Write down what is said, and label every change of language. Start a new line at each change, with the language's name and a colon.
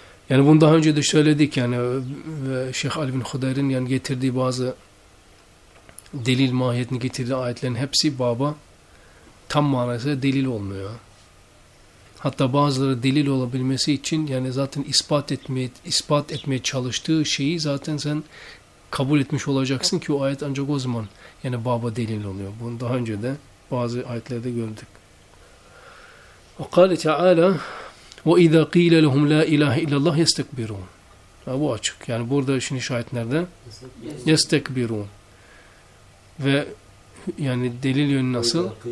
Turkish: Yani bunu daha önce de söyledik yani, Şeyh Ali bin Hudayr'in yani getirdiği bazı delil mahiyetini getirdiği ayetlerin hepsi baba tam manası delil olmuyor. Hatta bazıları delil olabilmesi için yani zaten ispat etmeye çalıştığı şeyi zaten sen kabul etmiş olacaksın ki o ayet ancak o zaman yani baba delil oluyor. Bunu daha önce de bazı ayetlerde gördük.
Arabic: وقال تعالى وإذا قيل لهم لا إله إلا الله يستكبرون.
Turkish: Bu açık. Yani burada şimdi şahit nerede?
Arabic: يستكبرون.
Turkish: Ve yani delil yönü nasıl?